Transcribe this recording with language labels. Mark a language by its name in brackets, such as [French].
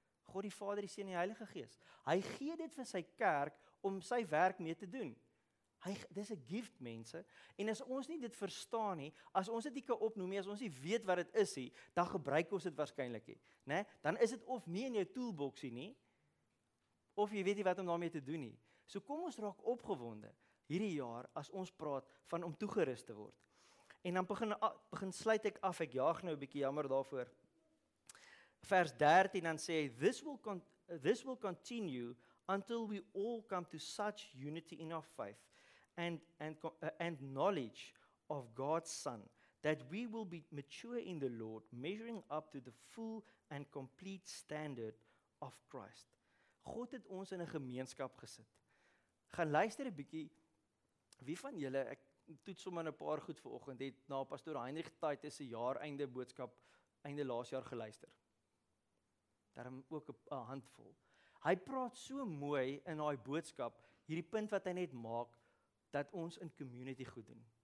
[Afrikaans] God die Vader, die Seun en die Heilige Gees. Hy gee dit vir sy kerk om sy werk mee te doen. Dis 'n gift, mense. En as ons nie dit verstaan nie, as ons dit nie kan opnoem nie, as ons nie weet wat dit is nie, dan gebruik ons dit waarskynlik nie, né? Dan is dit of nie in jou toolboxie nie, of jy weet nie wat om daarmee te doen nie. So kom ons raak opgewonde hierdie jaar as ons praat van om toegerus te word. En dan begin sluit ek af, ek jaag nou 'n bietjie jammer daarvoor. Vers 13 dan sê hy, [English] this will continue until we all come to such unity in our faith and knowledge of God's Son, that we will be mature in the Lord, measuring up to the full and complete standard of Christ. [Afrikaans] God het ons in 'n gemeenskap gesit. Gaan luister 'n bietjie, wie van julle, ek toets sommer 'n paar goed vanoggend, het na pastoor Heinrich Taite se jaareinde boodskap einde laas jaar geluister. Daarom ook 'n handvol. Hy praat so mooi in daai boodskap, hierdie punt wat hy net maak, dat ons in community goed doen.